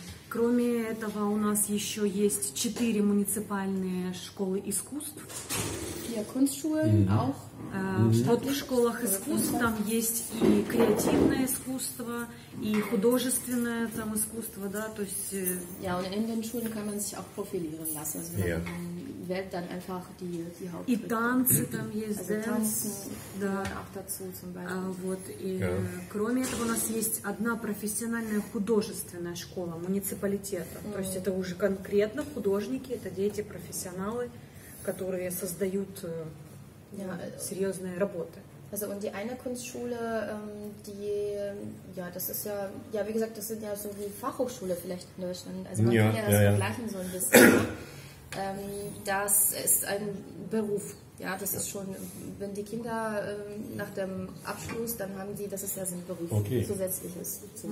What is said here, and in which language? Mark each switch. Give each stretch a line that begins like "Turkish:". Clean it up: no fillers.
Russian: Кроме этого, у нас еще есть 4 муниципальные школы искусств.
German: Ja, Kunstschulen auch.
Russian: Вот в школах искусств там есть и креативное искусство, и художественное там искусство, да, то есть...
German: Ja, und in den Schulen kann man sich auch profilieren lassen. Also ja. Wählt dann einfach die Hauptschule.
Russian: И танцы там есть,
German: also, tanzen, да. Auch dazu, zum Beispiel.
Russian: Вот, и кроме этого, у нас есть одна профессиональная художественная школа муниципалитета. То есть это уже конкретно художники, это дети, профессионалы, которые создают... серьезные работы.
German: Also und die eine Kunstschule, die ja, das ist ja, ja wie gesagt, das sind ja so wie Fachhochschule vielleicht in Deutschland. Also man kann ja das vergleichen so ein bisschen. Das ist ein Beruf. Ja, das ist schon, wenn die Kinder nach dem Abschluss, dann haben sie, das ist ja so ein Beruf, zusätzliches